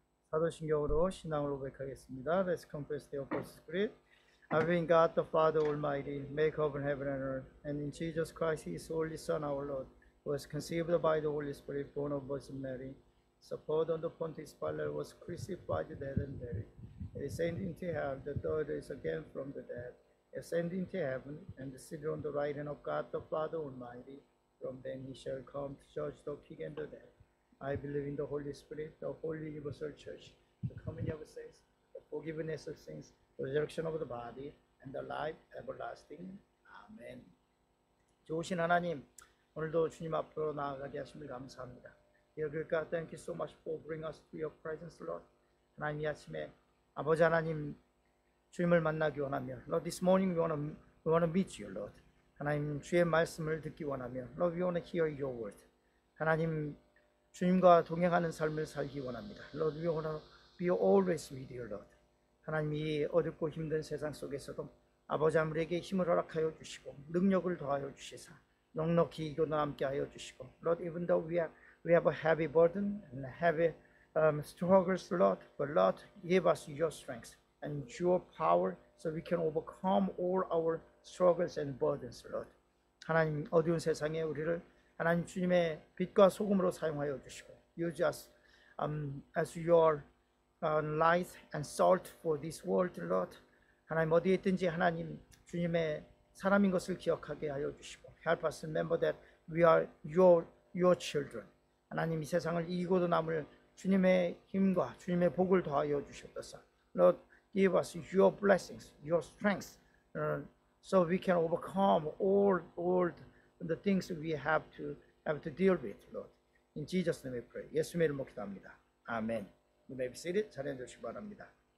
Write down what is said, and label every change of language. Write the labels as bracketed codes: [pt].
[ko] 사도신경으로 신앙을 고백하겠습니다. [en] Let's confess the Apostles' Creed. I believe in God, the Father Almighty, maker of heaven and earth, and in Jesus Christ, his only Son, our Lord, who was conceived by the Holy Spirit, born of Virgin Mary, suffered under Pontius Pilate, was crucified, dead and buried, and ascended into hell, the third day again from the dead, ascending to heaven, and seated on the right hand of God, the Father Almighty. From then he shall come to judge the quick and the dead. I believe in the Holy Spirit, the Holy Universal Church, the communion of saints, the forgiveness of sins, the resurrection of the body, and the life everlasting. Amen. [ko] 좋으신 하나님, 오늘도 주님 앞으로 나아가게 하심을 감사합니다. [en] Dear God, thank you so much for bringing us to your presence, Lord. [ko] 하나님, 이 아침에 아버지 하나님 주님을 만나기 원하며, [en] Lord, this morning we want to meet you, Lord. [ko] 하나님, 주의 말씀을 듣기 원하며, [en] Lord, we want to hear your word. [ko] 하나님, 주님과 동행하는 삶을 살기 원합니다. [en] Lord, we want to be always with you, Lord. [ko] 하나님, 이 어둡고 힘든 세상 속에서도 아버지 우리에게 힘을 허락하여 주시고 능력을 더하여 주시사 넉넉히 이곳에 함께 하여 주시고 [en] Lord, even though we have a heavy burden and heavy struggles, Lord, but Lord, give us your strength and your power so we can overcome all our struggles and burdens, Lord. [ko] 하나님, 어두운 세상에 우리를 하나님 주님의 빛과 소금으로 사용하여 주시고 [en] Use us as your light and salt for this world, Lord. [ko] 하나님 어디에 있든지 하나님 주님의 사람인 것을 기억하게 하여 주시고 [en] Help us remember that we are your children. [ko] 하나님 이 세상을 이기고도 남을 주님의 힘과 주님의 복을 더하여 주시옵소서. [en] Lord, give us your blessings, your strengths, so we can overcome all the things we have to deal with, Lord. In Jesus' name we pray. [ko] 예수의 이름으로 기도합니다. [en] 아멘. You may be seated. [ko] 자리해 주시기 바랍니다.